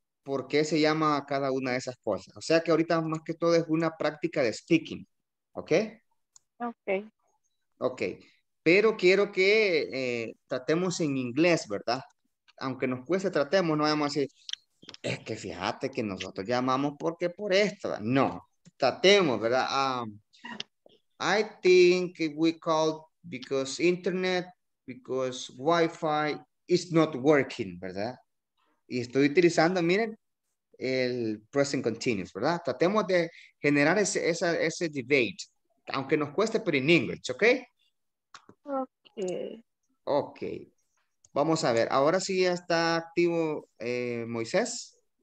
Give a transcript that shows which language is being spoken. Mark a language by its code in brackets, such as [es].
[es] por qué se llama cada una de esas cosas. O sea que ahorita más que todo es una práctica de speaking. ¿Ok? Ok. Ok. Pero quiero que tratemos en inglés, ¿verdad? Aunque nos cueste, tratemos, no vamos a decir, es que fíjate que nosotros llamamos porque por esto. No, tratemos, ¿verdad? [en] I think we called because internet, because Wi-Fi is not working, ¿verdad? [es] Y estoy utilizando, miren, el present continuous, ¿verdad? Tratemos de generar ese debate, aunque nos cueste, pero en inglés, ¿ok? Okay. Vamos a ver, ahora sí ya está activo Moisés.